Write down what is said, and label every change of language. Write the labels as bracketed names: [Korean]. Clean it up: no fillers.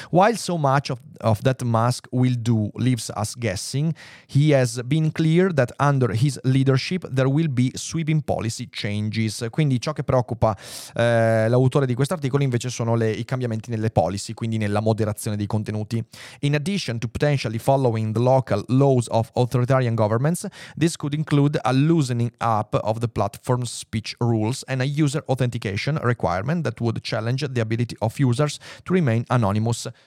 [English] While so much of that Musk will do leaves us guessing, he has been clear that under his leadership there will be sweeping policy changes. [Italian] Quindi ciò che preoccupa l'autore di questo articolo invece sono i cambiamenti nelle policy, quindi nella moderazione dei contenuti. [English] In addition to potentially following the local laws of authoritarian governments, this could include a loosening up of the platform's speech rules and a user authentication requirement that would challenge the ability of users to remain anonymous.